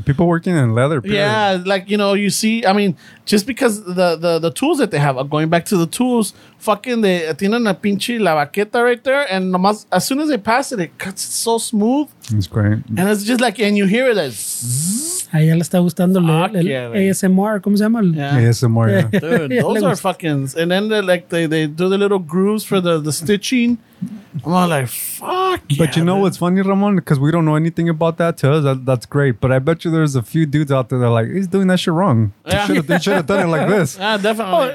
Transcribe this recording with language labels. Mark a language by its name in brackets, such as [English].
[English] People working in leather. Period. Yeah, like, you know, you see, I mean, just because the tools that they have, going back to the tools, fucking they [Spanish] tienen a pinche la baqueta [English] right there, and nomás, as soon as they pass it, it cuts so smooth. It's great. And it's just like, and you hear it, it's... [Spanish] Ahí ya le está gustando el ASMR, ¿cómo se llama? [English] Yeah. ASMR, yeah. Dude, those are fucking... And then they like they do the little grooves for the stitching. I'm all like, fuck. But you know what's funny, Ramon? Because we don't know anything about that. To us, that's great. But I bet you there's a few dudes out there that are like, he's doing that shit wrong. Yeah. They should have done it like this. Yeah, definitely.